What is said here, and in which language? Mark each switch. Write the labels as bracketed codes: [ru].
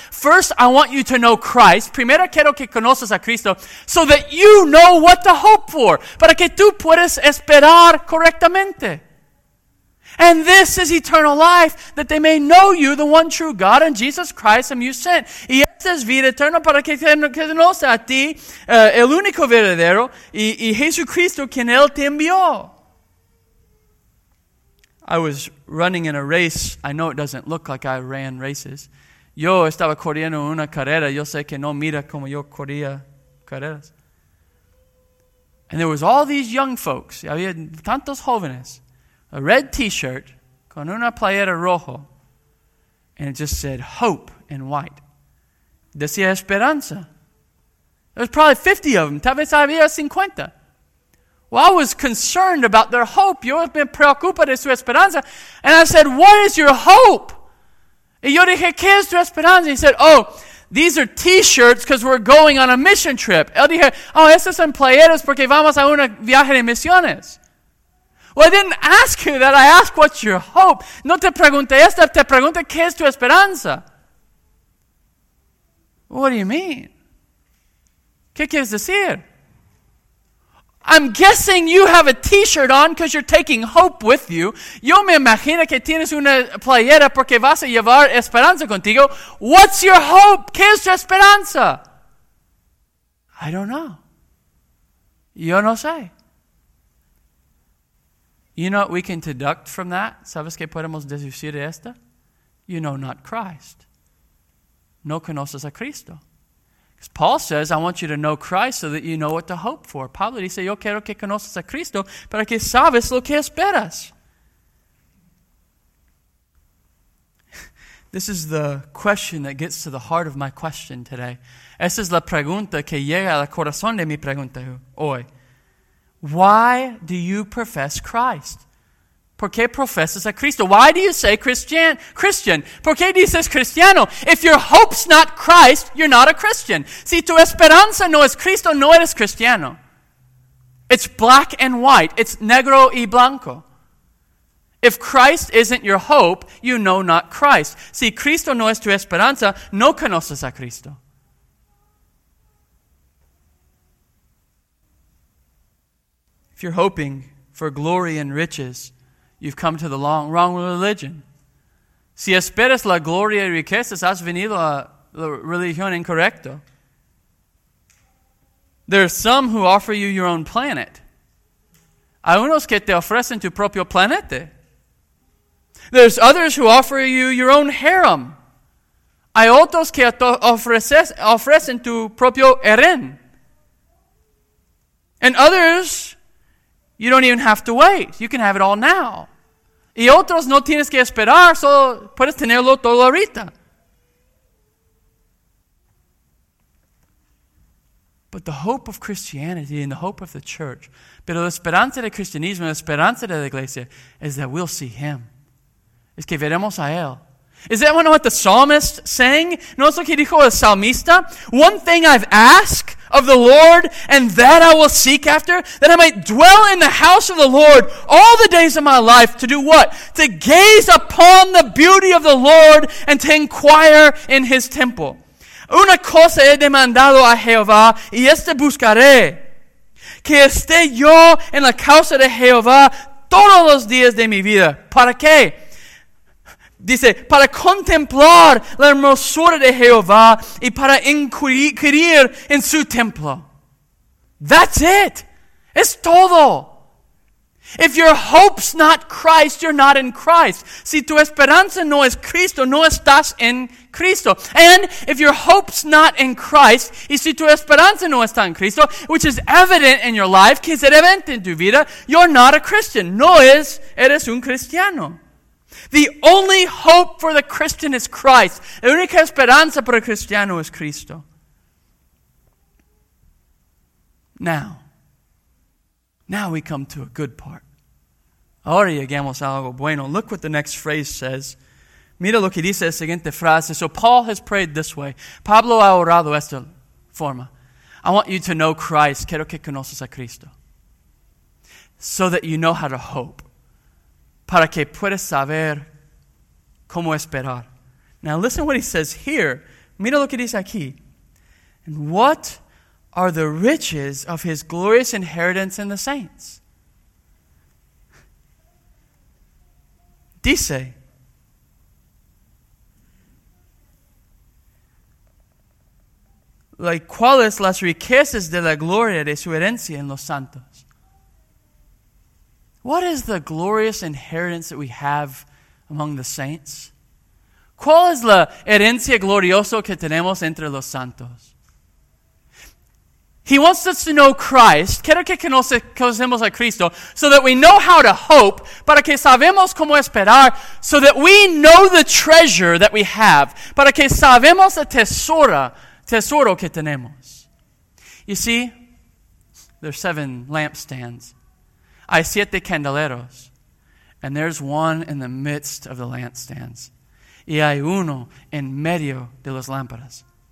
[en] First, I want you to know Christ. [es] Primero quiero que conozcas a Cristo [en] so that you know what to hope for. [es] Para que tú puedas esperar correctamente. [en] And this is eternal life, that they may know you, the one true God, and Jesus Christ, whom you sent. [es] Y esta es vida eterna para que te conozca a ti, el único verdadero, y Jesucristo, quien él te envió. [en] I was running in a race. I know it doesn't look like I ran races. [es] Yo estaba corriendo una carrera. Yo sé que no mira como yo corría carreras. [en] And there was all these young folks. [es] Había tantos jóvenes. [en] A red t-shirt [es] con una playera rojo, [en] and it just said hope in white. [es] Decía esperanza. [en] There was probably 50 of them. [es] Tal vez había 50. [en] Well, I was concerned about their hope. [es] Yo me preocupa de su esperanza. [en] And I said, what is your hope? [es] Y yo dije, ¿qué es tu esperanza? [en] He said, oh, these are t-shirts because we're going on a mission trip. [es] Él dije, oh, estas son playeras porque vamos a un viaje de misiones. [en] Well, I didn't ask you that. I asked, what's your hope? [es] No te pregunté esta, te pregunté, ¿qué es tu esperanza? [en] What do you mean? [es] ¿Qué quieres decir? [en] I'm guessing you have a t-shirt on because you're taking hope with you. [es] Yo me imagino que tienes una playera porque vas a llevar esperanza contigo. [en] What's your hope? [es] ¿Qué es tu esperanza? [en] I don't know. [es] Yo no sé. [en] You know what we can deduct from that? [es] ¿Sabes qué podemos deducir de esta? [en] You know not Christ. [es] No conoces a Cristo. [en] Because Paul says, I want you to know Christ so that you know what to hope for. [es] Pablo dice, yo quiero que conoces a Cristo para que sabes lo que esperas. [en] This is the question that gets to the heart of my question today. [es] Esa es la pregunta que llega al corazón de mi pregunta hoy. [en] Why do you profess Christ? [es] ¿Por qué profesas a Cristo? [en] Why do you say Christian? [es] ¿Por qué dices cristiano? [en] If your hope's not Christ, you're not a Christian. [es] Si tu esperanza no es Cristo, no eres cristiano. [en] It's black and white. It's [es] negro y blanco. [en] If Christ isn't your hope, you know not Christ. [es] Si Cristo no es tu esperanza, no conoces a Cristo. [en] If you're hoping for glory and riches, you've come to the wrong religion. [es] Si esperas la gloria y riquezas, has venido a la religión incorrecta. [en] There are some who offer you your own planet. [es] Hay unos que te ofrecen tu propio planeta. [en] There's others who offer you your own harem. [es] Hay otros que te ofrecen tu propio harem. [en] And others, you don't even have to wait. You can have it all now. [es] Y otros no tienes que esperar, solo puedes tenerlo todo ahorita. [en] But the hope of Christianity and the hope of the church, [es] pero la esperanza de cristianismo, la esperanza de la iglesia, [en] is that we'll see him. [es] Es que veremos a él. [en] Is that what the psalmist sang? [es] ¿No es lo que dijo el salmista? [en] One thing I've asked of the Lord, and that I will seek after, that I might dwell in the house of the Lord all the days of my life, to do what? To gaze upon the beauty of the Lord and to inquire in his temple. [es] Una cosa he demandado a Jehová, y este buscaré, que esté yo en la casa de Jehová todos los días de mi vida. ¿Para qué? Dice, para contemplar la hermosura de Jehová y para inquirir en su templo. [en] That's it. [es] Es todo. [en] If your hope's not Christ, you're not in Christ. [es] Si tu esperanza no es Cristo, no estás en Cristo. [en] And if your hope's not in Christ, [es] y si tu esperanza no está en Cristo, [en] which is evident in your life, [es] que es evidente en tu vida, [en] you're not a Christian. [es] No es, eres un cristiano. [en] The only hope for the Christian is Christ. [es] La única esperanza para el cristiano es Cristo. [en] Now we come to a good part. [es] Ahora llegamos a algo bueno. [en] Look what the next phrase says. [es] Mira lo que dice la siguiente frase. [en] So Paul has prayed this way. [es] Pablo ha orado esta forma. [en] I want you to know Christ. [es] Quiero que conozcas a Cristo. [en] So that you know how to hope. [es] Para que puedas saber cómo esperar. [en] Now listen what he says here. [es] Mira lo que dice aquí. [en] And what are the riches of his glorious inheritance in the saints? [es] Dice. Like, ¿cuáles las riquezas de la gloria de su herencia en los santos? [en] What is the glorious inheritance that we have among the saints? [es] ¿Cuál es la herencia gloriosa que tenemos entre los santos? [en] He wants us to know Christ. [es] Quiero que conocemos a Cristo [en] so that we know how to hope, [es] para que sabemos cómo esperar, [en] so that we know the treasure that we have, [es] para que sabemos el tesoro que tenemos. [en] You see, there are 7 lampstands. [es] Hay 7 candeleros, [en] and there's one in the midst of the lampstands. [es] Y hay uno en medio de las lámparas.